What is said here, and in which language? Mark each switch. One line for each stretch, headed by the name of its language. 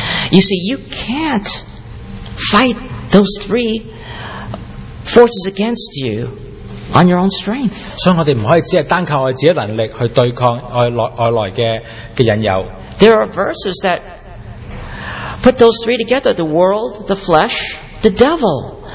English: You see, you can't fight those three forces against you on your own strength.
Chinese: 所以我们不可以只是单靠我们自己的能力去对抗外来的引诱.
English: There are verses that put those three together, the world, the flesh, the devil.